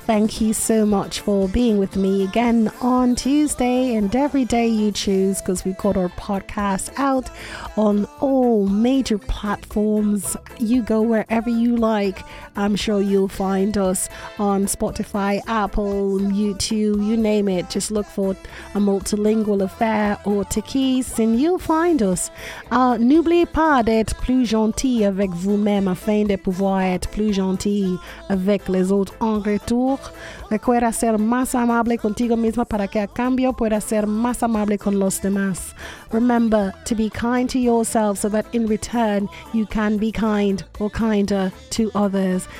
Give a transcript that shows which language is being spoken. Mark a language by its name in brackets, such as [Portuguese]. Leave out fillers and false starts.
[English] Thank you so much for being with me again on Tuesday and every day you choose, because we've got our podcast out on all major platforms. You go wherever you like. I'm sure you'll find us on Spotify, Apple, YouTube, you name it. Just look for A Multilingual Affair or Tiki's and you'll find us. [French] N'oubliez pas d'être plus gentil avec vous-même afin de pouvoir être plus gentil avec les autres en retour. [Spanish] Recuerda ser más amable contigo misma para que a cambio pueda ser más amable con los demás. [English] Remember to be kind to yourself so that in return you can be kind or kinder to others.